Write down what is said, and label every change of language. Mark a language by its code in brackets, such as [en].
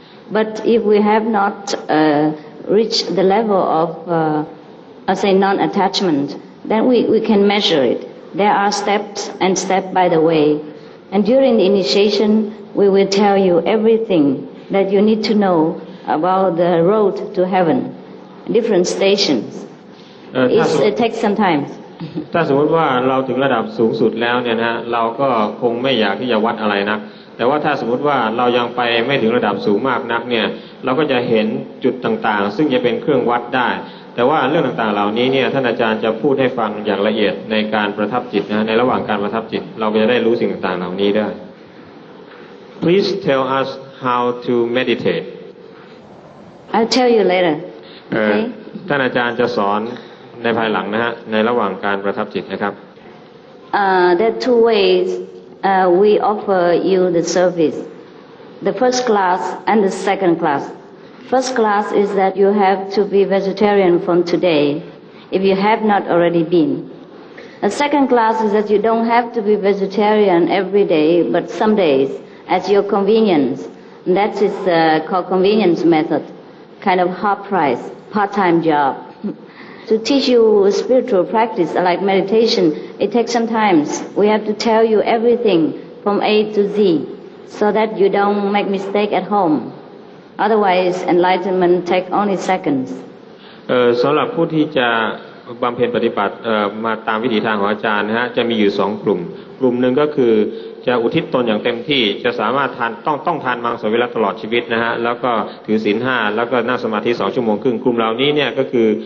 [en] But if we have not reached the level of, say, non-attachment, then we can measure it. There are steps and steps by the way. And during the initiation, we will tell you everything that you need to know about the road to heaven, different stations. It takes some time. [th] ถ้าสมมติว่าเราถึงระดับสูงสุดแล้วเนี่ยนะเราก็คงไม่อยากที่จะวัดอะไรนะแต่ว่าถ้าสมมติว่าเรายังไปไม่ถึงระดับสูงมากนักเนี่ยเราก็จะเห็นจุดต่างๆซึ่งจะเป็นเครื่องวัดได้แต่ว่าเรื่องต่างๆเหล่านี้เนี่ยท่านอาจารย์จะพูดให้ฟังอย่างละเอียดในการประทับจิตนะในระหว่างการประทับจิตเราก็จะได้รู้สิ่งต่างๆเหล่านี้ได้ [en] please tell us how to meditate. I'll tell you later. Okay. [th] ท่านอาจารย์จะสอนในภายหลังนะฮะในระหว่างการประทับจิตนะครับ [en] There are two ways we offer you the service. The first class and the second class. First class is that you have to be vegetarian from today if you have not already been. The second class is that you don't have to be vegetarian every day but some days at your convenience. That is called convenience method, kind of half price, part-time job. To teach you spiritual practice like meditation, it takes some time. We have to tell you everything from A to Z so that you don't make mistake at home. Otherwise, enlightenment takes only seconds. [th] สำหรับผู้ที่จะบำเพ็ญปฏิบัติมาตามวิถีทางของอาจารย์นะฮะจะมีอยู่สองกลุ่มกลุ่มหนึ่งก็คือจะอุทิศตนอย่างเต็มที่จะสามารถทานต้องทานมังสวิรัติตลอดชีวิตนะฮะแล้วก็ถือศีล5แล้วก็นั่งสมาธิ2ชั่วโมงครึ่งกลุ่มเหล่านี้เนี่ยก็คือ